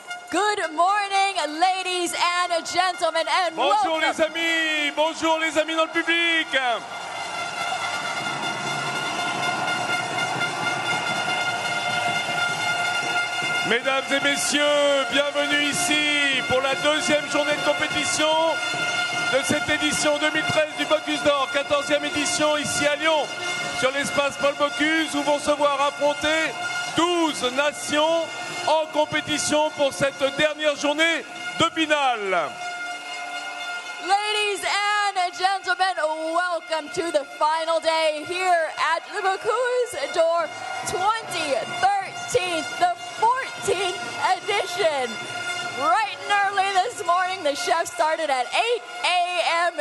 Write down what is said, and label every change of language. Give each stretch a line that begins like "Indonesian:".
English: Good morning, ladies and gentlemen, and
French: bonjour Bonjour les amis. Bonjour les amis dans le public. Mesdames et messieurs, bienvenue ici pour la deuxième journée de compétition de cette édition 2013 du Bocuse d'Or, 14e édition ici à Lyon, sur l'espace Paul Bocuse, où vont se voir affronter 12 nations en compétition pour cette dernière journée de finale.
English: Ladies and gentlemen, welcome to the final day here at the Bocuse d'Or 2013, the 14th edition. Bright and early this morning, the chef started at 8 a.m.